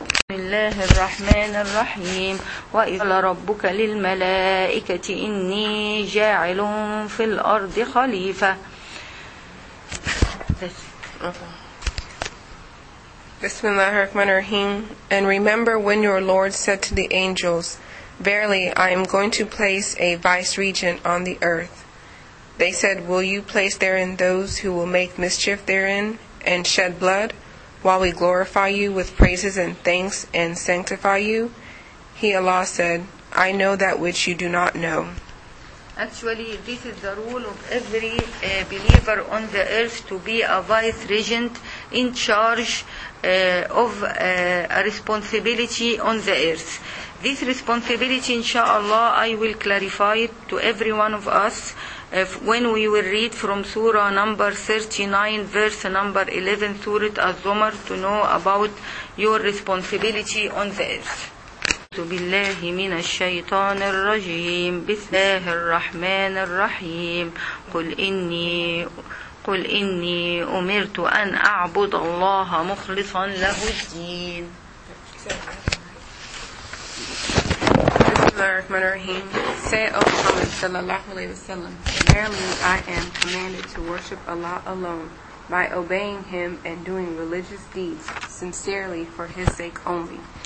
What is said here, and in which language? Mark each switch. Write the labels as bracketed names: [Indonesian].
[Arabic] بسم الله الرحمن الرحيم وإذ قال ربك للملائكة إني جاعل في الأرض خليفة بسم الله الرحمن الرحيم [English] And remember when your Lord said to the angels, Verily, I am going to place a vice-regent on the earth. They said, Will you place therein those who will make mischief therein and shed blood? While we glorify you with praises and thanks and sanctify you, He, Allah, said, I know that which you do not know. Actually, this is the rule of every believer on the earth to be a vice regent in charge of a responsibility on the earth. This responsibility, inshallah, I will clarify it to every one of us. When we will read from surah number 39, verse number 11, surah Az-Zumar, to know about your responsibility on the earth. [Arabic] بالله من الشيطان الرجيم بسم الله الرحمن الرحيم قل إني أمرت أن أعبد الله مخلصا له الدين [English] Say, O Prophet sallallahu alayhi wa sallam, Verily I am commanded to worship Allah alone by obeying Him and doing religious deeds sincerely for His sake only.